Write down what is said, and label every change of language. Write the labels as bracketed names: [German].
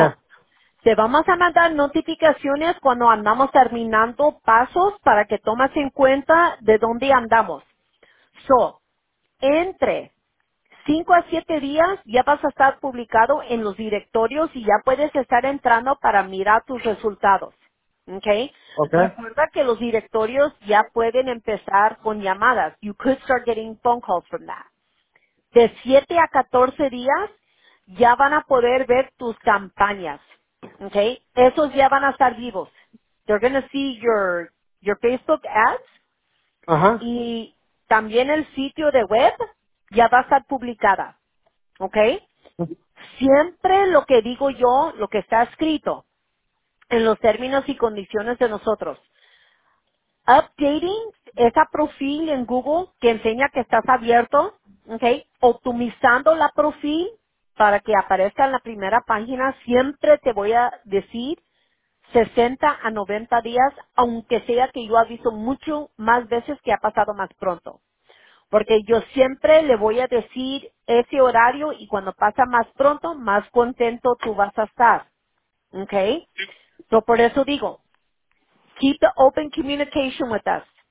[Spanish] So, te vamos a mandar notificaciones cuando andamos terminando pasos para que tomes en cuenta de dónde andamos. So, entre 5 a 7 días ya vas a estar publicado en los directorios y ya puedes estar entrando para mirar tus resultados. [English] Okay? Okay. [Spanish] Recuerda que los directorios ya pueden empezar con llamadas. [English] You could start getting phone calls from that. [Spanish] De 7 a 14 días ya van a poder ver tus campañas. Okay? Esos ya van a estar vivos. [English] They're going to see your Facebook ads. Uh-huh. [Spanish] Y también el sitio de web ya va a estar publicada. Okay? Siempre lo que digo yo, lo que está escrito en los términos y condiciones de nosotros. Updating esa profil en Google que enseña que estás abierto, okay, optimizando la profil para que aparezca en la primera página, siempre te voy a decir 60 a 90 días, aunque sea que yo aviso mucho más veces que ha pasado más pronto. Porque yo siempre le voy a decir ese horario y cuando pasa más pronto, más contento tú vas a estar. [English] Okay. So [Spanish] por eso digo, [English] keep the open communication with us.